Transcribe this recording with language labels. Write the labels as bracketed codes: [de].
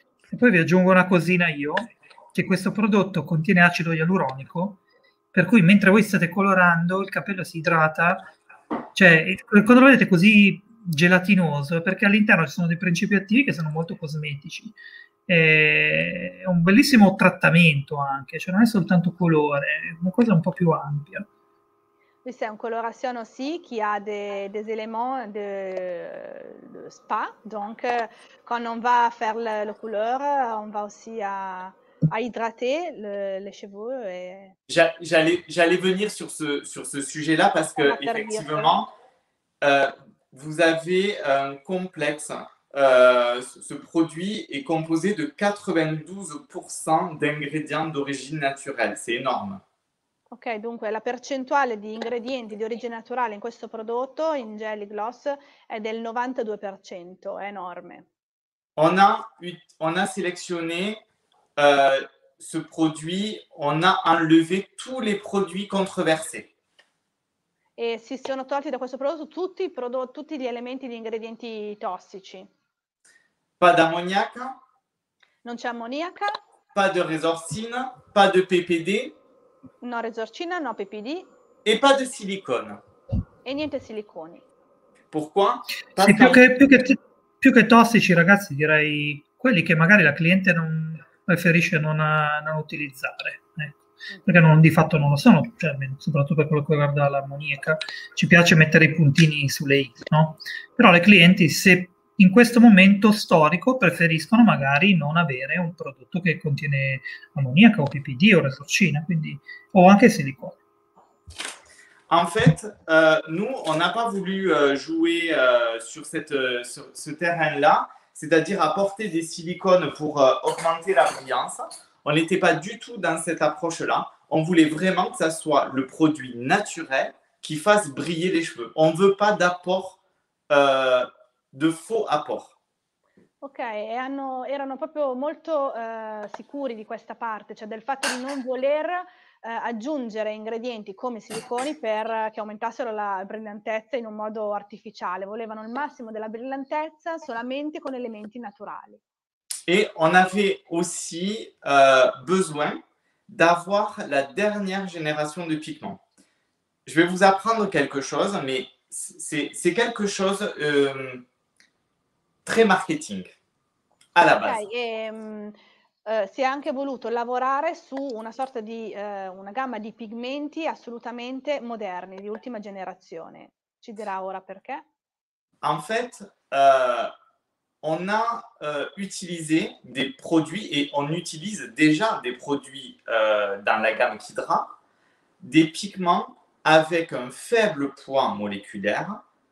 [it] E poi vi aggiungo una cosina io, che questo prodotto contiene acido ialuronico, per cui mentre voi state colorando il capello si idrata, cioè quando lo vedete così gelatinoso, perché all'interno ci sono dei principi attivi che sono molto cosmetici. È un bellissimo trattamento anche, cioè non è soltanto colore, è una cosa un po' più ampia. Questa è una colorazione [fr] aussi qui a des éléments de spa, donc quand on va faire le couleur, on va aussi à hydrater les cheveux. Et... J'allais venir sur ce sujet-là parce que effectivement vous avez un complexe. Ce produit est composé de 92% d'ingrédients d'origine naturelle, c'est énorme. [it] Ok, dunque la percentuale di ingredienti di origine naturale in questo prodotto, in Jelly Gloss, è del 92%, è enorme. [fr] On a sélectionné ce produit, on a enlevé tous les produits controversés. [it] E si sono tolti da questo prodotto tutti gli elementi di ingredienti tossici. [fr] Pas d'ammoniaca. [it] Non c'è ammoniaca. [fr] Pas de resorcina, pas de PPD. [it] No resorcina, no PPD. [fr] E pas de silicone. [it] E niente siliconi. [fr] Pourquoi? [it] Sì, più che tossici, ragazzi, direi quelli che magari la cliente non preferisce non utilizzare. Perché non, di fatto non lo sono, cioè, soprattutto per quello che riguarda l'ammoniaca. Ci piace mettere i puntini sulle i, no? Però le clienti, se in questo momento storico, preferiscono magari non avere un prodotto che contiene ammoniaca o PPD o resorcina, quindi, o anche silicone. [fr] En fait, nous, on n'a pas voulu jouer sur ce terrain-là, c'est-à-dire apporter des silicones pour augmenter la brillance. On n'était pas du tout dans cette approche-là. On voulait vraiment que ça soit le produit naturel qui fasse briller les cheveux. On ne veut pas d'apport... de faux apport. [it] Ok, erano proprio molto sicuri di questa parte, cioè del fatto di non voler aggiungere ingredienti come siliconi per che aumentassero la brillantezza in un modo artificiale. Volevano il massimo della brillantezza solamente con elementi naturali. [fr] E on avait aussi besoin d'avoir la dernière génération de pigments. Je vais vous apprendre quelque chose, mais c'est quelque chose très marketing [it] alla base. Okay, si è anche voluto lavorare su una sorta di una gamma di pigmenti assolutamente moderni di ultima generazione. Ci dirà ora perché? [fr] En fait, on a utilisé des produits et on utilise déjà des produits dans la gamme Kidra, des pigments avec un faible poids moléculaire.